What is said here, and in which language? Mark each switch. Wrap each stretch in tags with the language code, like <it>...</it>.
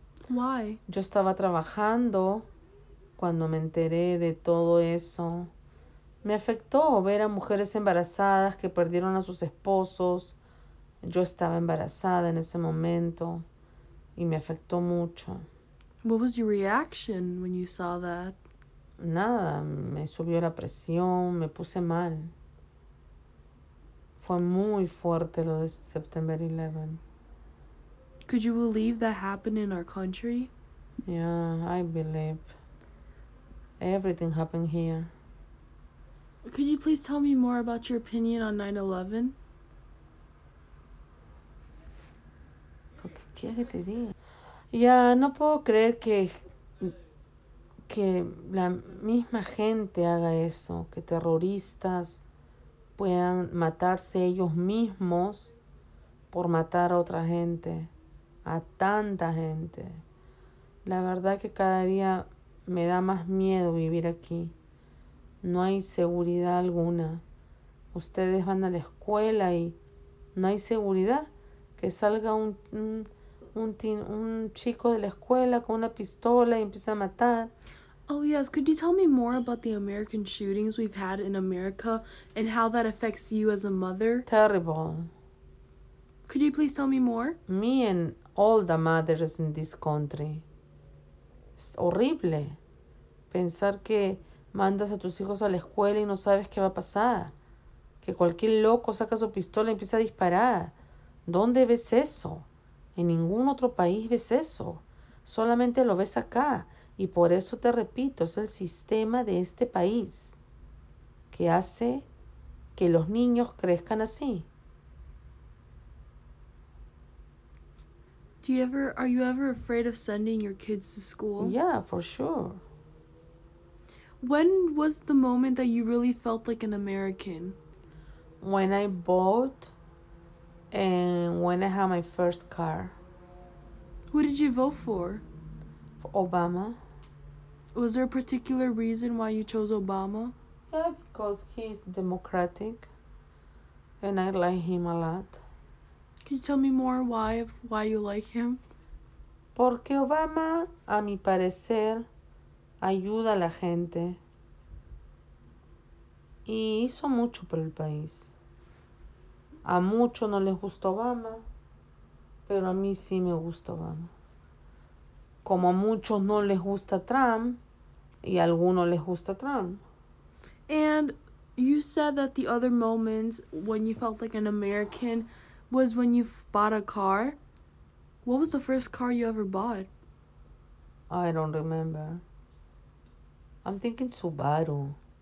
<en>Why?</en> <es>Yo estaba trabajando cuando me enteré de todo eso. Me afectó ver a mujeres embarazadas que perdieron a sus esposos. Yo estaba embarazada en ese momento y me afectó mucho.</es> <en>What was your reaction when you saw that?</en> <es>Nada, me subió la presión, me puse mal. Fue muy fuerte lo de September 11.</es> <en>Could you believe that happened in our country? Yeah, I believe. Everything happened here. Could you please tell me more about your opinion on 9/11?</en> <es>¿Por qué quieres que te diga? Yeah, no puedo creer que la misma gente haga eso, que terroristas puedan matarse ellos mismos por matar a otra gente. A tanta gente. La verdad que cada día me da más miedo vivir aquí. No hay seguridad alguna. Ustedes van a la escuela y no hay seguridad. Que salga un chico de la escuela con una pistola y empiece a matar.</es> <en>Oh yes, could you tell me more about the American shootings we've had in America and how that affects you as a mother? Terrible. Could you please tell me more? Me and all the mothers in this country.</en> <es>Es horrible. Pensar que mandas a tus hijos a la escuela y no sabes qué va a pasar. Que cualquier loco saca su pistola y empieza a disparar. ¿Dónde ves eso? En ningún otro país ves eso. Solamente lo ves acá. Y por eso te repito, es el sistema de este país que hace que los niños crezcan así.</es> <en>Are you ever afraid of sending your kids to school? Yeah, for sure. When was the moment that you really felt like an American? When I vote and when I had my first car. Who did you vote for? Obama. Was there a particular reason why you chose Obama? Yeah, because he's democratic and I like him a lot. Can you tell me more why you like him?</en> <es>Porque Obama, a mi parecer, ayuda a la gente. Y hizo mucho por el país. A muchos no les gustó Obama, pero a mí sí me gustó Obama. Como a muchos no les gusta Trump, y a algunos les gusta Trump.</es> <en>And you said that the other moment when you felt like an American was when you bought a car. What was the first car you ever bought? I don't remember. I'm thinking Subaru.</en>